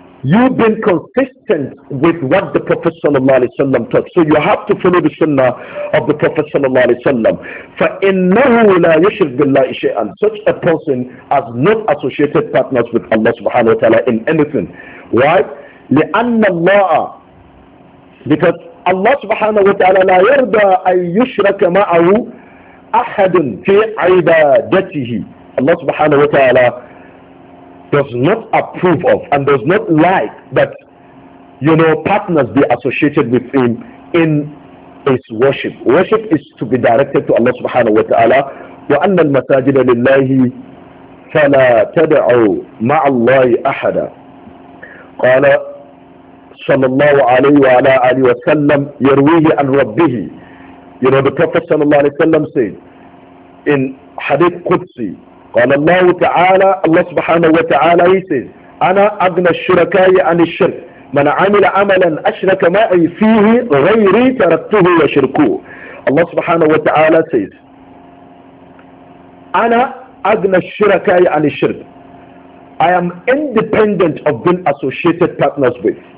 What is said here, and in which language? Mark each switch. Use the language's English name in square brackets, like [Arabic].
[English] You've been consistent with what the Prophet sallallahu alaihi wasallam taught. So you have to follow the sunnah of the Prophet sallallahu alaihi wasallam. [Arabic] فَإِنَّهُ لَا يُشْرِكْ بِاللَّهِ شَيْئًا. [English] Such a person has not associated partners with Allah subhanahu wa ta'ala in anything. Why? [Arabic] لِأَنَّ اللَّهَ. [English] Because Allah subhanahu wa ta'ala [Arabic] لَا يَرْضَى أَن يُشْرَكَ مَعَهُ أَحَدٌ فِي عِبَادَتِهِ. [English] Allah subhanahu wa ta'ala does not approve of and does not like that, you know, partners be associated with him in his worship. Worship is to be directed to Allah subhanahu wa ta'ala. [Arabic] وَأَنَّ الْمَسَاجِدَ لِلَّهِ فَلَا تَدْعُوا مَعَ اللَّهِ أَحَدًا. قَالَ صلى الله عليه وعلى آله وسلم يرويه عن ربه. [English] You know, the Prophet [Arabic] صلى الله عليه وسلم [English] said in Hadith Qudsi, [Arabic] قال الله تعالى, Allah سبحانه وتعالى, [English] he says, [Arabic] أنا أغنى الشركاء عن الشرك, من عمل عملا أشرك معي فيه غيري تركته وشركه. [English] Allah سبحانه وتعالى says, [Arabic] أنا أغنى الشركاء عن الشرك, [English] I am independent of being associated partners with.